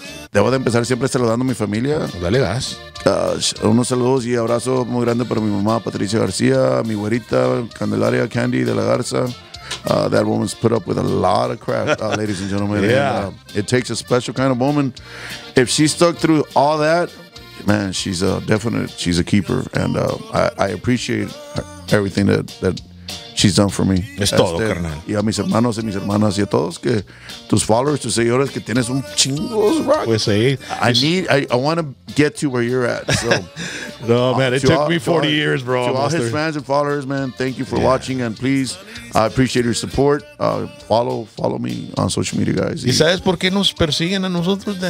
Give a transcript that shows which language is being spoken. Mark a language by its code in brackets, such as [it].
[es] Debo de empezar siempre saludando a mi familia. Dale gas. Unos saludos y abrazo muy grande para mi mamá, Patricia García, mi güerita, Candelaria, Candy de la Garza. [en] That woman's put up with a lot of crap, ladies and gentlemen. Yeah. And, it takes a special kind of woman. If she stuck through all that, man, she's a definite, she's a keeper. And I appreciate everything that she's done for me. [es] Es todo, carnal. Y a mis hermanos y mis hermanas y a todos que tus followers, tus seguidores que tienes un chingo, rock. Pues sí. [en] I want to get to where you're at. So, no, man, it took me 40 years, bro. To all his fans and followers, man, thank you for watching. And please, I appreciate your support. Follow me on social media, guys. [es] ¿Y sabes por qué nos persiguen a nosotros?